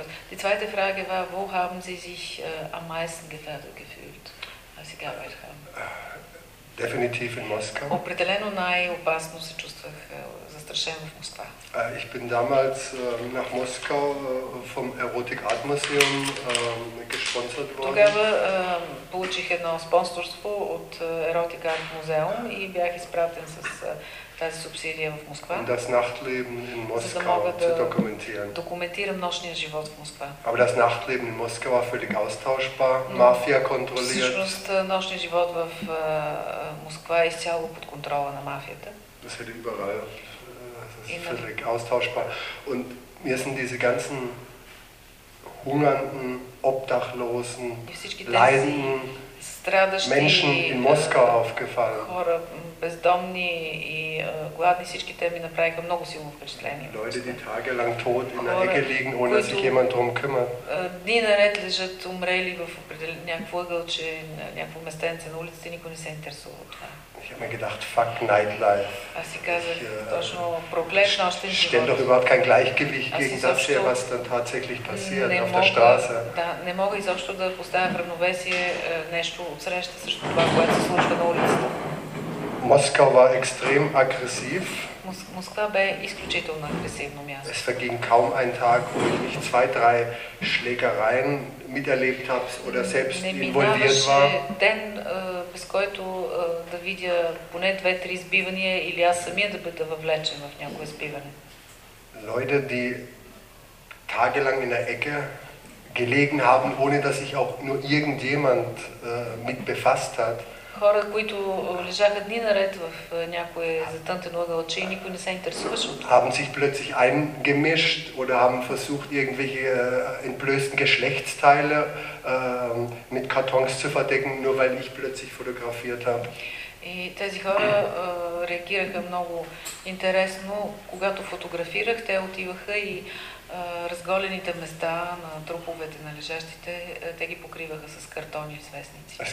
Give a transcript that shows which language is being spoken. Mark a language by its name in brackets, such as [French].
[German] Die zweite Frage war, wo haben Sie sich am meisten gefährdet gefühlt, als Sie gearbeitet haben? Definitiv in Moskau. [Bulgarian] Определено най-опасно се чувствах застрашен в Москва. [German] Ich bin damals nach Moskau vom Erotic Art Museum gesponsert worden. [Bulgarian] Тогава получих едно спонсорство от Erotic Art Museum и бях изпратен с тази субсидия в Москва. [German] Und das Nachtleben in Moskau zu dokumentieren. [Bulgarian] Документирам нощния живот в Москва. [German] Aber das Nachtleben in Moskau war völlig austauschbar, Mafia kontrolliert. [Bulgarian] Всъщност нощния живот в Москва е изцяло под контрола на мафията. [German] Das hätte überall völlig austauschbar. Und mir sind diese ganzen hungernden, obdachlosen, leidenden Menschen in Moskau aufgefallen. [Bulgarian] Хора, бездомни и гладни, всички те ми направиха много силно впечатление. [German] Leute, die tagelang tot in der Ecke liegen, ohne dass sich jemand drum kümmert. [Bulgarian] Дни наред лежат умрели в някакво ъгълче, някакво местенце на улицата, никой не се интересува от това. [German] Ich habe mir gedacht, [English] fuck nightlife. [Bulgarian] Аз си казах, точно проклет нощен живот. [German] Stell doch überhaupt kein Gleichgewicht gegen das hier, was dann tatsächlich passiert auf der Straße. [Bulgarian] Да, не мога изобщо да поставя в равновесие нещо от среща срещу това, което се случва на улицата. [German] Moskau war extrem aggressiv. Moskau war [Bulgarian] исключително агресивно място. [German] Es verging kaum ein Tag, wo ich nicht zwei, drei Schlägereien miterlebt habe oder selbst involviert war. [Bulgarian] Не минаваше ден, без който да видя поне две-три избивания или аз самия да бъда въвлечен в някое избиване. [German] Leute, die tagelang in der Ecke gelegen haben, ohne dass sich auch nur irgendjemand mit befasst hat. [Bulgarian] Хора, които лежаха дни наред в някое затънтено ъгълче и никой не се интересуваше от това. [German] Haben sich plötzlich eingemischt oder haben versucht irgendwelche entblößten Geschlechtsteile mit Kartons zu verdecken, nur weil ich plötzlich fotografiert habe. [Bulgarian] И тези хора реагираха много интересно, когато фотографирах, те отиваха и разголените места на труповете на лежащите, те ги покриваха с картони и вестници.